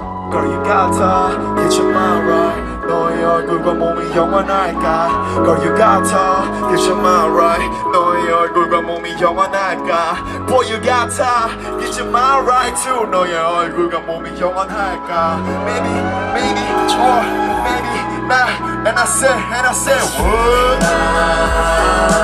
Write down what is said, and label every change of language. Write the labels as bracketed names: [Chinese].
[English] girl you gotta get your mind right. [Korean] 너의 얼굴과 몸이 영원할까. [English] Girl you gotta get your mind right. [Korean] 너의 얼굴과 몸이 영원할까. [English] Boy you gotta get your mind right too. [Korean] 너의 얼굴과 몸이 영원할까. [English] Maybe, maybe, or maybe. And I said, what?